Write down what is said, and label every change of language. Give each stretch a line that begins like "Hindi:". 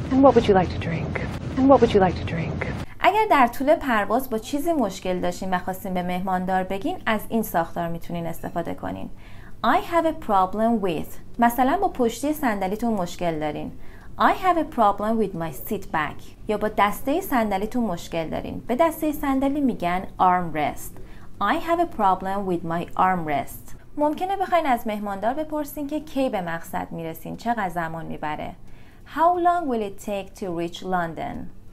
English: And what would you like to drink?
Persian: اگر در طول پرواز با چیزی مشکل داشتین و خواستین به مهماندار بگین از این ساختار میتونین استفاده کنین.
English: I have a problem with.
Persian: مثلا با پشتی صندلیتون مشکل دارین.
English: I have a problem with my seat back.
Persian: یا با دسته صندلیتون مشکل دارین. به دسته صندلی میگن armrest.
English: I have a problem with my armrest.
Persian: ممکنه بخواین از مهماندار بپرسین که کی به مقصد میرسین، چقدر زمان میبره.
English: How long will it take to reach London?